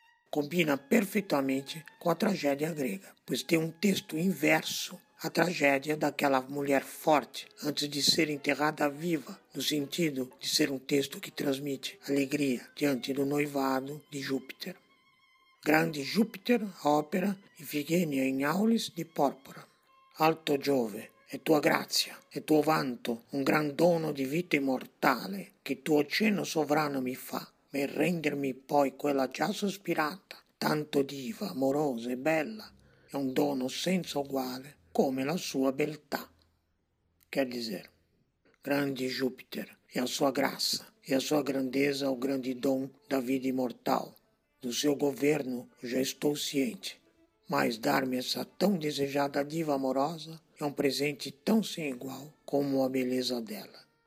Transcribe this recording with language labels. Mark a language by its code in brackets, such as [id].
[pt] Combina perfeitamente com a tragédia grega, pois tem um texto inverso à tragédia daquela mulher forte antes de ser enterrada viva, no sentido de ser um texto que transmite alegria diante do noivado de Júpiter. Grande Júpiter, a ópera Ifigênia em Aulis de Pórpora. [it] Alto Giove, é tua grazia, é tuo vanto, un gran dono di vita immortale che tuo cenno sovrano mi fa. Per rendermi poi quella già sospirata, tanto diva, amorosa e bella, è un dono senza uguale come la sua beltà. [pt] Quer dizer, grande Júpiter e a sua graça e a sua grandeza o grande dom da vida imortal. Do seu governo já estou ciente, mas dar-me essa tão desejada diva amorosa é um presente tão sem igual como a beleza dela.